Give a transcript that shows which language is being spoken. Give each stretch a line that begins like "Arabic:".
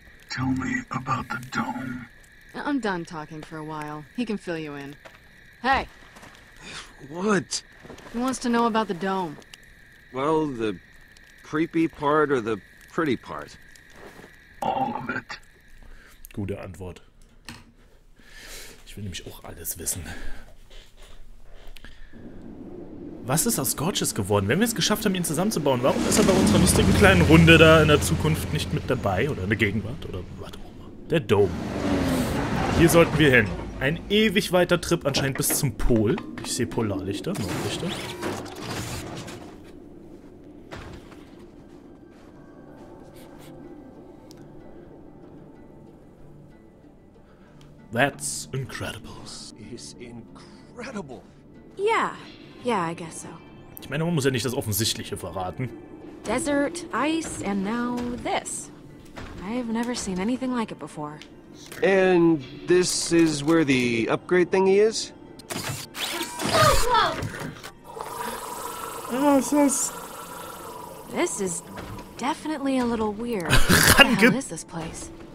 English: Tell me about the dome. I'm done talking for a while. He can fill you in. Hey! What? He wants to know about the dome. Well, the creepy part or the pretty part? All of it.
German: Gute Antwort. Ich will nämlich auch alles wissen. Was ist aus Gorgeous geworden? Wenn wir es geschafft haben, ihn zusammenzubauen, warum ist er bei unserer lustigen kleinen Runde da in der Zukunft nicht mit dabei? Oder in der Gegenwart? Oder was auch immer. Der Dome. Hier sollten wir hin. Ein ewig weiter Trip anscheinend bis zum Pol. Ich sehe Polarlichter, Nordlichter.
English: That's incredible. It's incredible. Yeah, yeah, I guess so.
German: Ich meine, man muss ja nicht das Offensichtliche verraten.
English: Desert, ice, and now this. I've never seen anything like it before. And this is where the upgrade thingy is? This is definitely a little weird. What the hell is this place?